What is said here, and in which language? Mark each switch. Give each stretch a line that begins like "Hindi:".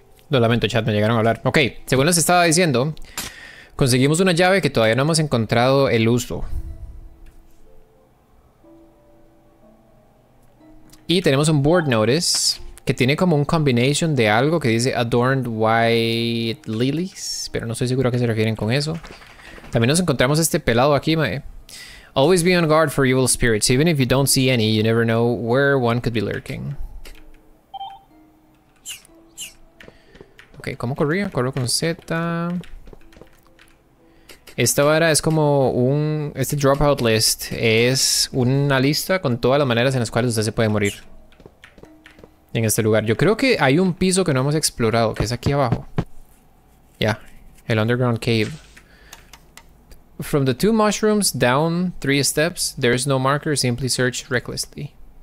Spanish: Lo lamento, chat, me llegaron a hablar. Ok, según les estaba diciendo, conseguimos una llave que todavía no hemos encontrado el uso. Y tenemos un board notice que tiene como un combination de algo que dice Adorned White Lilies, pero no estoy seguro a qué se refieren con eso. También nos encontramos este pelado aquí, mae.
English: Always be on guard for evil spirits. Even if you don't see any, you never know where one could be lurking.
Spanish: Ok, ¿cómo corría? Corro con Z. Esta vara es como un... Este dropout list es una lista con todas las maneras en las cuales usted se puede morir. En este lugar. Yo creo que hay un piso que no hemos explorado, que es aquí abajo. Ya, yeah, el underground cave.
English: From the two mushrooms down three steps, there is no marker, simply search recklessly.